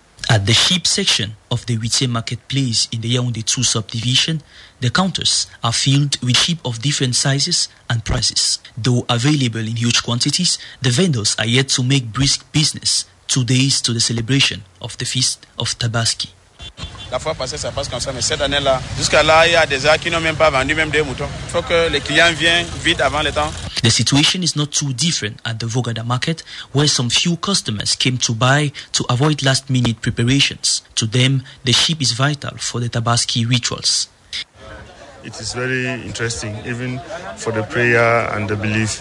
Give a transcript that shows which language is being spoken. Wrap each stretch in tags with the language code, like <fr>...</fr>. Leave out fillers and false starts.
<en>At the sheep section of the Witse marketplace in the Yaoundé 2 subdivision, the counters are filled with sheep of different sizes and prices. Though available in huge quantities, the vendors are yet to make brisk business 2 days to the celebration of the Feast of Tabaski.</en> <fr>La fois passée, ça passe comme ça, mais cette année-là, jusqu'à là, il y a des gens qui n'ont même pas vendu même des moutons. Il faut que les clients viennent vite avant le temps.</fr> <en>The situation is not too different at the Vogada market, where some few customers came to buy to avoid last-minute preparations. To them, the sheep is vital for the Tabaski rituals. It is very interesting, even for the prayer and the belief.</en>